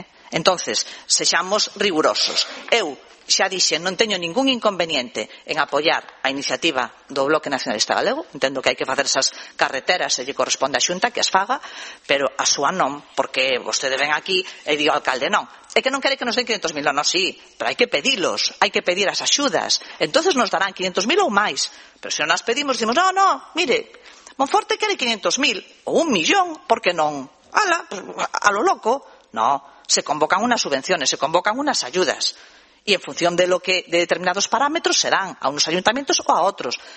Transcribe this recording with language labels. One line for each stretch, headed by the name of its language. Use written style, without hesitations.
Galician: Entonces, sexamos rigurosos. Eu xa dixen, non teño ningún inconveniente en apoyar a iniciativa do Bloque Nacionalista Galego, entendo que hai que facer esas carreteras e lle corresponde a Xunta que as faga, pero a súa non, porque vostede ven aquí e digo ao alcalde non, é que non quere que nos den 500.000, non, sí, pero hai que pedilos, hai que pedir as axudas, entonces nos darán 500.000 ou máis, pero se non as pedimos, dicimos, no, mire, Monforte quere 500.000 ou 1 millón, por que non?
Spanish: Ala, a lo loco, no, se convocan unas subvenciones, se convocan unas ayudas. E en función de lo que de determinados parámetros serán a unos ayuntamientos
Galician: ou a outros.